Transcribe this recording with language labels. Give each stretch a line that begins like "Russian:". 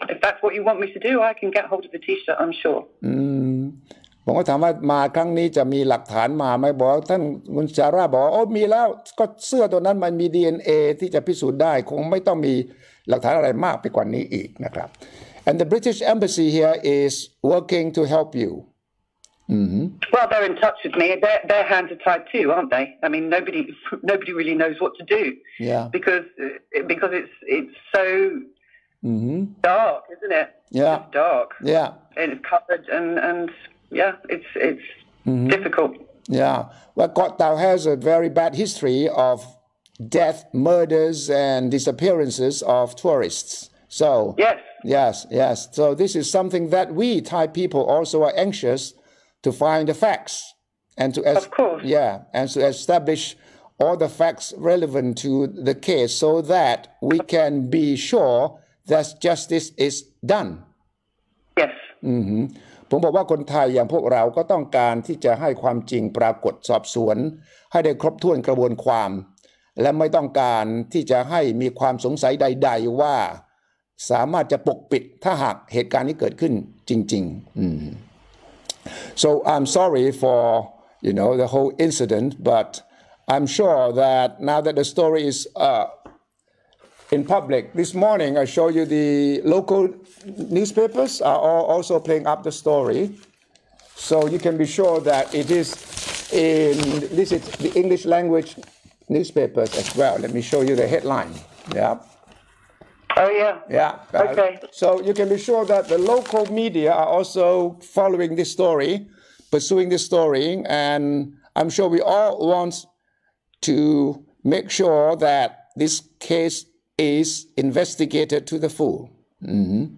English: If that's what you want me to do, I can get hold of the T-shirt. I'm sure. Mm-hmm.
Thai: ผมก็ถามว่ามาครั้งนี้จะมีหลักฐานมาไหมบอกท่านคุณซาร่าบอกโอ้มีแล้วก็เสื้อตัวนั้นมันมี DNA ที่จะพิสูจน์ได้คงไม่ต้องมีหลักฐานอะไรมากไปกว่านี้อีกนะครับ
English: And the British Embassy here is working to help you. Mm-hmm. Well, they're in touch with me. Their hands are tied too, aren't they? I mean, nobody really knows what to do. Yeah. Because it's so mm-hmm. dark, isn't it? Yeah. It's dark. Yeah. And it's covered and. Yeah, it's difficult. Yeah. Well, Kotau has a very bad history of death, murders, and disappearances of tourists. So, yes. So this is something that we Thai people also are anxious to find the facts. And to of course. Yeah, and to establish all the facts relevant to the case so that we can be sure that justice is done. Yes. Mm-hmm.
Thai: ผมบอกว่าคนไทยอย่างพวกเราก็ต้องการที่จะให้ความจริงปรากฏสอบสวนให้ได้ครบถ้วนกระบวนความและไม่ต้องการที่จะให้มีความสงสัยใดๆว่า สามารถจะปกปิดถ้าหากเหตุการณ์นี้เกิดขึ้นจริงๆ
English: So I'm sorry for you know the whole incident but I'm sure that now that the story is In public, this morning I show you the local newspapers are all also playing up the story, so you can be sure that it is in this is the English language newspapers as well. Let me show you the headline. Yeah. Oh yeah. Yeah. Okay. So you can be sure that the local media are also following this story, pursuing this story, and I'm sure we all want to make sure that this case. Is investigated to the full. Mm-hmm.